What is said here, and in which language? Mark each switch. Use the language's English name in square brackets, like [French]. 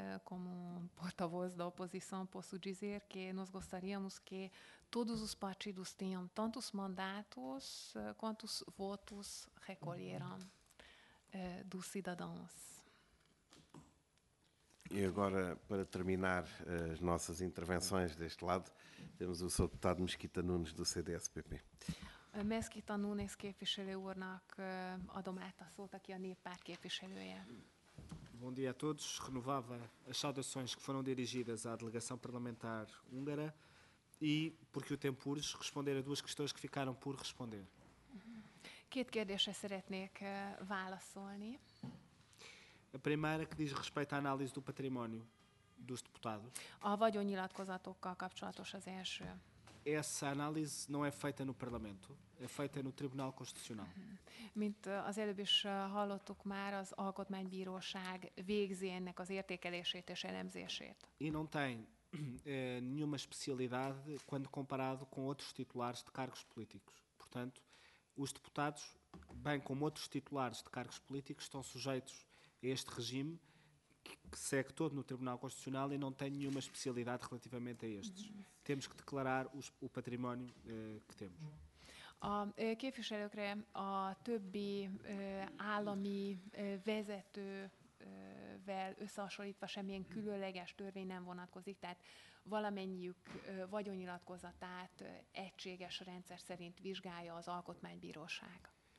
[Portuguese] Como porta-voz da oposição, posso dizer que nós gostaríamos que todos os partidos tenham tantos mandatos quanto os votos recolheram dos cidadãos. E agora, para terminar as nossas intervenções deste lado, temos o Sr. Deputado Mesquita Nunes, do CDS-PP. [Hungarian] Mesquita Nunes, képviselőúrnak adom át a szót, aqui a Néppárt képviselője. [Portuguese] Bom dia a todos. Renovava as saudações que foram dirigidas à delegação parlamentar húngara e, porque o tempo urge, responder a duas questões que ficaram por responder. [Hungarian] Két kérdésre szeretnék válaszolni. [Portuguese] A primeira que diz respeito à análise do património dos deputados. [Hungarian] A vagyonnyilatkozatokkal kapcsolatos az első. [Portuguese] Essa análise não é feita no Parlamento, é feita no Tribunal Constitucional. [Hungarian] Mint az előbb is hallottuk már, az Alkotmánybíróság végzi ennek az értékelését és elemzését. [Portuguese] E não tem nenhuma especialidade quando comparado com outros titulares de cargos políticos. Portanto, os deputados, bem como outros titulares de cargos políticos, estão sujeitos este regime que segue todo no Tribunal Constitucional e não tem nenhuma especialidade relativamente a estes. Temos que declarar o património que temos. [Hungarian] A képviselőkre a többi állami vezetővel összehasonlítva semmilyen különleges törvény nem vonatkozik, tehát valamennyiük vagyonnyilatkozatát egységes rendszer szerint vizsgálja az Alkotmánybíróság.